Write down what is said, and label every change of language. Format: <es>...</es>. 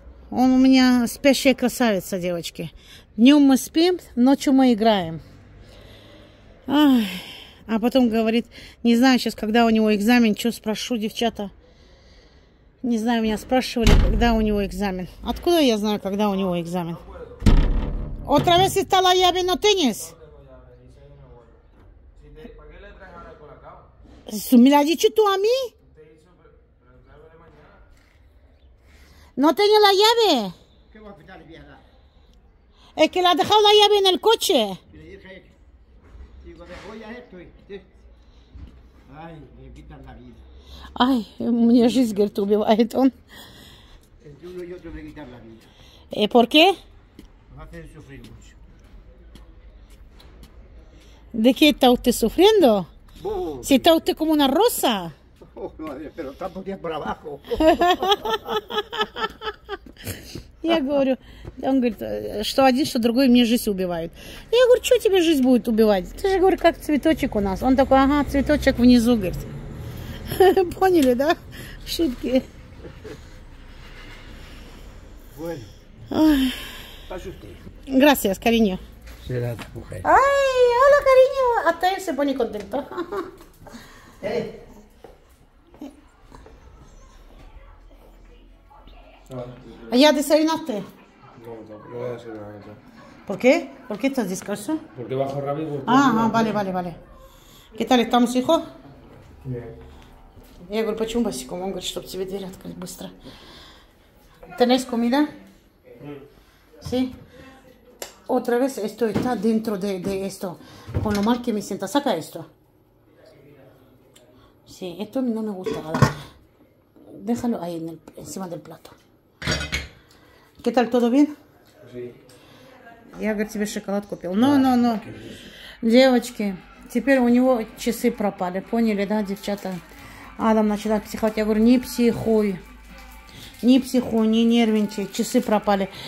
<ru>Он у меня спящая красавица, девочки. Днем мы спим, ночью мы играем. А потом говорит, не знаю сейчас, когда у него экзамен, что спрошу, девчата. Не знаю, меня спрашивали, когда у него экзамен. Откуда я знаю, когда у него экзамен?</ru> <es>Otra vez está la llave, ¿no tienes? ¿Me la has dicho tú a mí? No tenía la llave. ¿Qué va a quitar, vieja? Es que la ha dejado la llave en el coche. Y le dije, digo, de hoy a esto. Ay, me quitan la vida.</es> <ru>Ay, мне жизнь, говорит, убивает он.</ru> <es>Entre uno y otro me quitan la vida. ¿Por qué? Me hace sufrir mucho. ¿De qué está usted sufriendo? Oh, si está usted como una rosa. Pero tanto tiempo abajo.</es> <ru>Я говорю, он говорит, что один, что другой мне жизнь убивает. Я говорю, что тебе жизнь будет убивать? Ты же, говорю, как цветочек у нас. Он такой, ага, цветочек внизу, говорит. Поняли, да? Шутки.</ru> <es>Gracias, cariño. Será tu mujer. Ay, hola, cariño. Hasta él se pone contento. ¿Ya desayunaste? No, no voy a desayunar ya. ¿Por qué? ¿Por qué estás descalzo? Porque bajo rápido. Ah, no, vale. ¿Qué tal estamos, hijo? Bien.</es> <ru>Я говорю, почему босиком? Он говорит, чтобы тебе дверь открыть быстро.</ru> <es>¿Tenés comida? Sí. Otra vez esto está dentro de esto. Con lo mal que me sienta. Saca esto. Sí, esto no me gusta nada. Déjalo ahí encima del plato. ¿Qué tal? ¿Todo bien? Sí.</es> <ru>Я, говорит, тебе шоколад купил. Но. Девочки, теперь у него часы пропали. Поняли, да, девчата? Адам начала психовать. Я говорю, не психуй. Не психуй, не нервничай. Часы пропали.</ru>